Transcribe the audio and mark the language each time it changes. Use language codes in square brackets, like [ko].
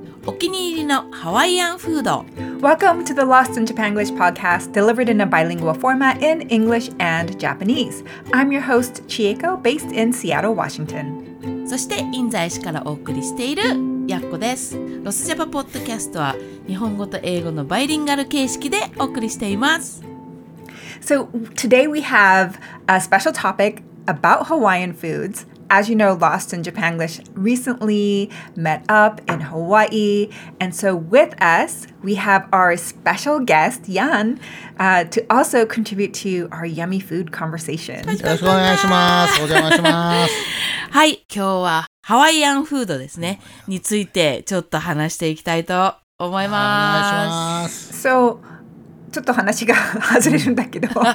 [ja] お気に入りのハワイアンフード。 [en] Welcome to the Lost in Japan English podcast, delivered in a bilingual format in English and Japanese. I'm your host, Chieko, based in Seattle, Washington. [ja] そして、印西市からお送りしているやっこです。ロスジャパポッドキャストは日本語と英語のバイリンガル形式でお送りしています。 [en] So today we have a special topic about Hawaiian foods. As you know, Lost in Japanglish recently met up in Hawaii. And so with us, we have our special guest, Yan, to also contribute to our yummy food conversation. [ja] よろしくお願いします。お邪魔します。はい、今日はハワイアンフードですね。についてちょっと話していきたいと思います。お願いします。 So,ちょっと話が外れるんだけど、